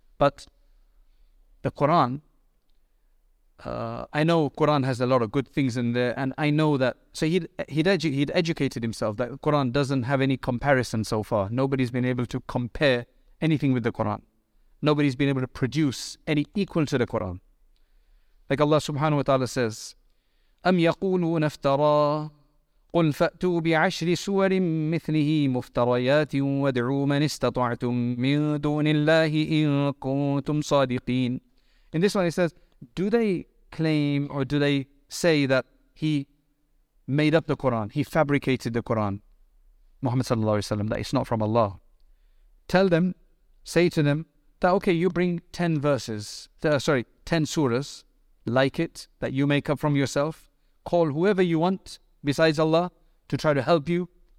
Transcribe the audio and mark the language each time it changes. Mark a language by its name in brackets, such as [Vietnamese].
[English] But the Quran, I know Quran has a lot of good things in there, and I know that. So he'd educated himself that the Quran doesn't have any comparison so far. Nobody's been able to compare anything with the Quran. Nobody's been able to produce any equal to the Quran. Like Allah subhanahu wa ta'ala says, [Arabic] أَمْ يَقُولُونَ افْتَرَى قُلْ فَأْتُوا بِعَشْرِ سُوَرٍ مِثْلِهِ مُفْتَرَيَاتٍ وَادْعُوا مَنِ اسْتَطَعْتُمْ مِنْ دُونِ اللَّهِ إِن كُنْتُمْ صَادِقِينَ. [English] In this one he says, do they claim or do they say that he made up the Quran, he fabricated the Quran, Muhammad sallallahu alaihi wasallam, that it's not from Allah? Tell them, say to them, that okay, you bring 10 surahs, like it, that you make up from yourself, call whoever you want, besides Allah, to try to help you.